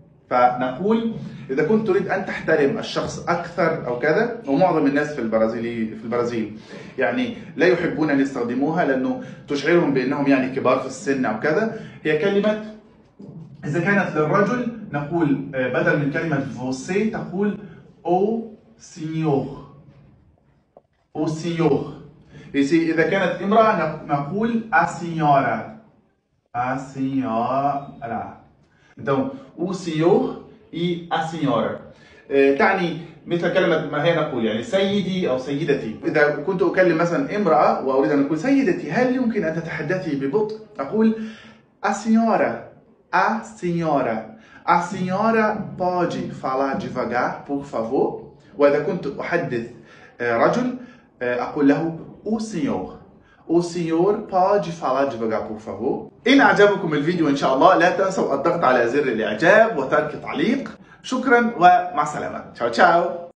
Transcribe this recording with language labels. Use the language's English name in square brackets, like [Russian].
[Arabic] فنقول إذا كنت تريد أن تحترم الشخص أكثر أو كذا، ومعظم الناس في البرازيل يعني لا يحبون أن يستخدموها لأنه تشعرهم بأنهم يعني كبار في السن أو كذا، هي كلمة إذا كانت للرجل نقول بدل من كلمة [Portuguese] você [Arabic] تقول او سينيور، او سينيور. إذا كانت امرأة نقول أسينيورا، أسينيورا. [Portuguese] Então, o senhor e a senhora. [Arabic] تعني مثل كلمة ما هي نقول يعني سيدي أو سيدتي. إذا كنت أكلم مثلا امرأة وأريد أن أقول سيدتي هل يمكن أن تتحدثي ببطء؟ أقول [Portuguese] a senhora. A senhora. A senhora pode falar devagar, por favor. [Arabic] وإذا كنت أحدث رجل أقول له [Portuguese] o senhor. O senhor pode falar devagar, por favor. [Arabic] إن أعجبكم الفيديو إن شاء الله لا تنسوا الضغط على زر الإعجاب وترك تعليق. شكرا ومع السلامة. تشاو تشاو.